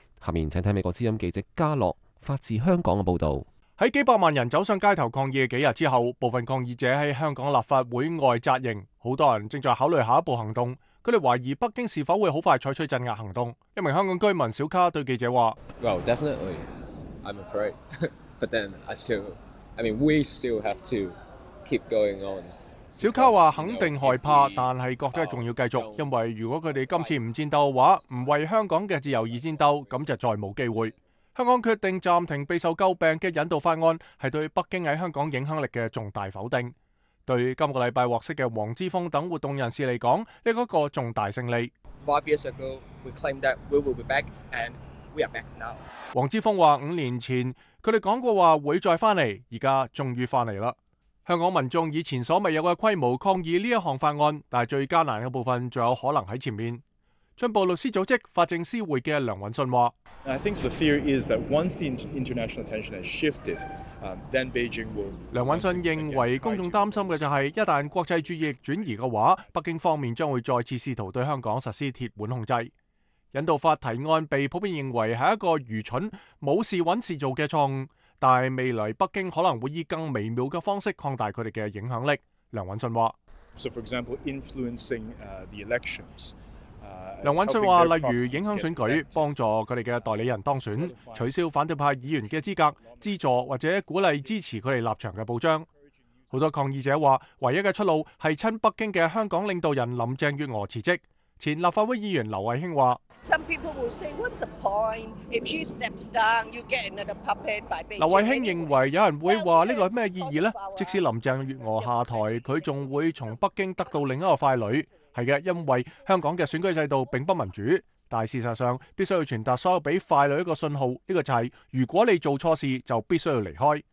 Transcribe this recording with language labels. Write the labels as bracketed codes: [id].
[zh] 下面请看美国之音记者加洛发自香港的报道。在几百万人走上街头抗议的几日之后，部分抗议者在香港立法会外扎营，很多人正在考虑下一步行动，他们怀疑北京是否会很快采取镇压行动。一名香港居民小卡对记者说， [en] Well, definitely, I'm afraid. But then, we still have to keep going on. [zh] 小卡说肯定害怕，但是觉得还要继续，因为如果他们今次不战斗的话，不为香港的自由而战斗，那就再没机会。香港決定暫停備受詬病的引渡法案，是對北京在香港影響力的重大否定。對今個禮拜獲釋的黃之鋒等活動人士來說，這是一個重大勝利。 [en] Five years ago, we claimed that we will be back, and we are back now. [zh] 黃之鋒說五年前他們講過話會再回來，現在終於回來了。香港民眾以前所未有的規模抗議這一項法案，但最艱難的部分還有可能在前面。進步律師組織法政司會的梁允信說， [en] I think the fear is that once the international attention has shifted, then Beijing will. [zh] 梁允信認為公眾擔心的就是，一旦國際注意轉移的話，北京方面將會再次試圖對香港實施鐵腕控制。引渡法提案被普遍認為是一個愚蠢、冇事揾事做的錯誤，但未來北京可能會以更微妙的方式擴大他們的影響力。梁允信說， [en] So for example, influencing the elections. [zh] 梁允信说，例如影响选举，帮助他们的代理人当选，取消反对派议员的资格，资助或者鼓励支持他们立场的报章。很多抗议者说，唯一的出路是亲北京的香港领导人林郑月娥辞职。前立法会议员刘慧卿说， [en] Some people will say, what's the point? If she steps down, you get another puppet by Beijing. [zh] 刘慧卿认为有人会说这个有什么意义呢？即使林郑月娥下台，她还会从北京得到另一个傀儡。是的，因为香港的选举制度并不民主，但事实上必须要传达所有给傀儡一个信号，这个就是如果你做错事就必须要离开。